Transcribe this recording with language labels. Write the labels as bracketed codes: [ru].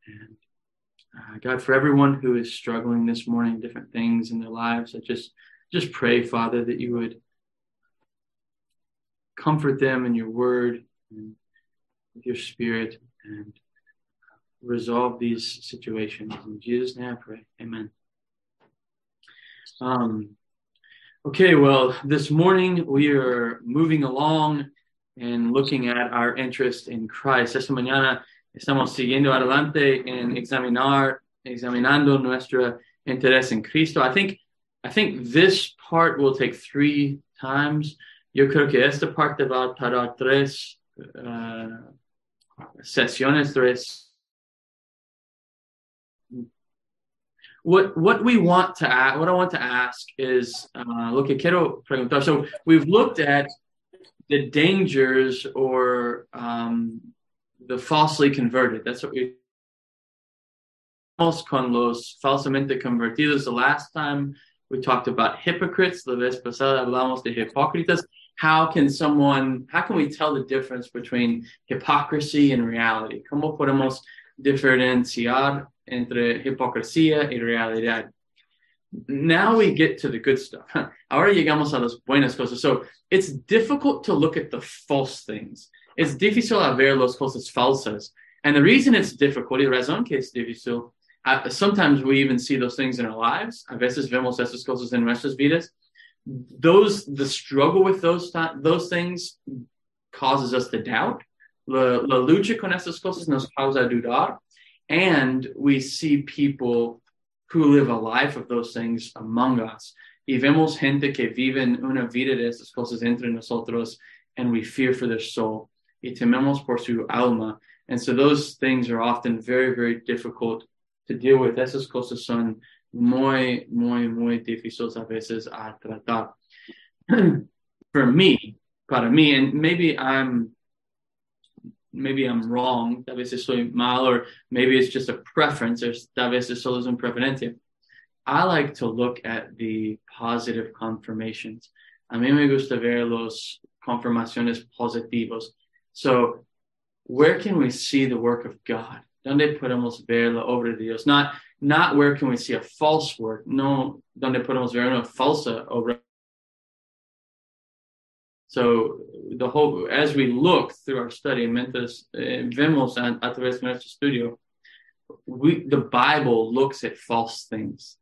[en] And God, for everyone who is struggling this morning, different things in their lives, I just pray, Father, that you would comfort them in your word and with your spirit, and resolve these situations. In Jesus' name I pray. Amen. Okay, well, this morning we are moving along and looking at our interest in Christ. [es] Esta mañana estamos siguiendo adelante en examinando nuestro interés en Cristo. [en] I think this part will take three times. [es] Yo creo que esta parte va a tardar tres sesiones, tres. [en] What I want to ask is, [es] lo que quiero preguntar. [en] So we've looked at the dangers or the falsely converted. That's what we almost [es] con los falsamente convertidos. [en] The last time we talked about hypocrites. [es] La vez pasada hablamos de hipócritas. [en] How can we tell the difference between hypocrisy and reality? [es] ¿Cómo podemos diferenciar entre hipocresía y realidad? [en] Now we get to the good stuff. [es] Ahora llegamos a las buenas cosas. [en] So it's difficult to look at the false things. [es] Es difícil a ver las cosas falsas. [en] And the reason it's difficult, [es] y razón que es difícil, [en] sometimes we even see those things in our lives. [es] A veces vemos esas cosas en nuestras vidas. [en] The struggle with those things causes us to doubt. [es] La lucha con esas cosas nos causa dudar. [en] And we see people who live a life of those things among us. [es] Y vemos gente que viven una vida de esas cosas entre nosotros, [en] and we fear for their soul. [es] Y tememos por su alma. [en] And so those things are often very, very difficult to deal with. [es] Esas cosas son muy, muy, muy difíciles a veces a tratar. [en] For me, [es] para mí, [en] and maybe I'm wrong, [es] tal vez estoy mal, [en] or maybe it's just a preference, or [es] tal vez es solo un preferente. [en] I like to look at the positive confirmations. [es] A mí me gusta ver los confirmaciones positivos. [en] So where can we see the work of God? [es] ¿Dónde podemos ver la obra de Dios? [en] Not where can we see a false work. [es] No, ¿dónde podemos ver una falsa obra? [en] So the whole, as we look through our study, [es] mientras vemos a través de nuestro estudio, [en] the Bible looks at false things.